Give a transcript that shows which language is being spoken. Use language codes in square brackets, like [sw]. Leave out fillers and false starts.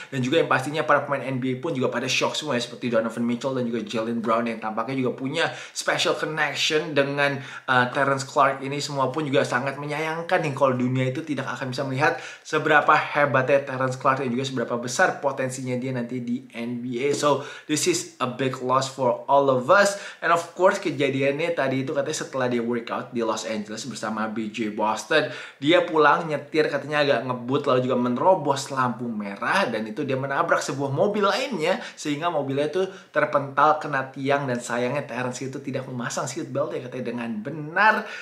[id] Dan juga yang pastinya para pemain NBA pun juga pada shock semua ya, seperti Donovan Mitchell dan juga Jalen Brown yang tampaknya juga punya special connection dengan Terrence Clark ini. Semua pun juga sangat menyayangkan nih kalau dunia itu tidak akan bisa melihat seberapa hebatnya Terrence Clark dan juga seberapa besar potensinya dia nanti di NBA. [en] So this is a big loss for all of us. [id] And of course kejadiannya tadi itu katanya setelah dia workout di Los Angeles bersama BJ Boston, dia pulang nyetir katanya agak ngebut, lalu juga menerobos lampu merah, dan itu dia menabrak sebuah mobil lainnya sehingga mobilnya itu terpental kena tiang. Dan sayangnya Terrence itu tidak memasang seat belt ya katanya dengan benar.